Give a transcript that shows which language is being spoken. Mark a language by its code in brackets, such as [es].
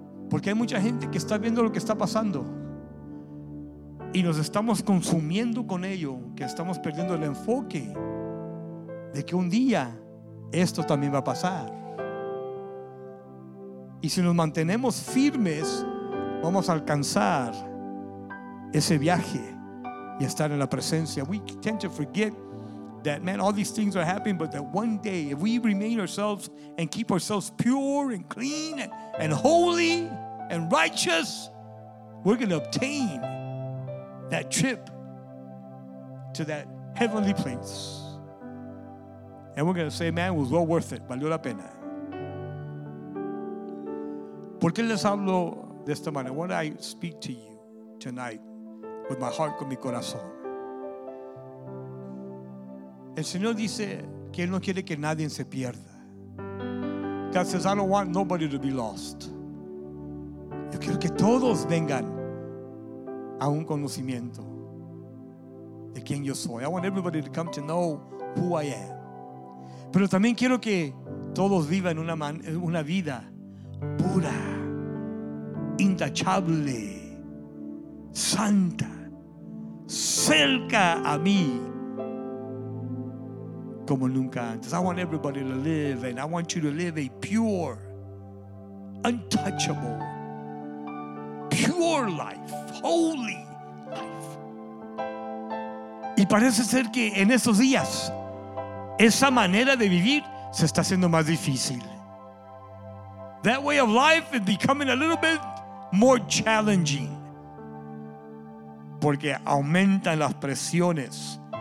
[es] Porque hay mucha gente que está viendo lo que está pasando y nos estamos consumiendo con ello, que estamos perdiendo el enfoque de que un día esto también va a pasar. Y si nos mantenemos firmes, vamos a alcanzar ese viaje y estar en la presencia. [en] We tend to forget that, man, all these things are happening, but that one day, if we remain ourselves and keep ourselves pure and clean and holy and righteous, we're going to obtain that trip to that heavenly place. And we're going to say, man, it was well worth it. [es] Valió la pena. ¿Por qué les hablo de esta manera? [en] Why do I speak to you tonight? With my heart, [es] con mi corazón. El Señor dice que Él no quiere que nadie se pierda. [en] that says, I don't want nobody to be lost. [es] Yo quiero que todos vengan a un conocimiento de quién yo soy. [en] I want everybody to come to know who I am. [es] Pero también quiero que todos vivan una vida pura, intachable, santa, cerca a mí como nunca antes. [en] I want everybody to live, and I want you to live a pure, untouchable, pure life, holy life. [es] Y parece ser que en esos días esa manera de vivir se está haciendo más difícil. [en] That way of life is becoming a little bit more challenging, [es] porque aumentan las presiones.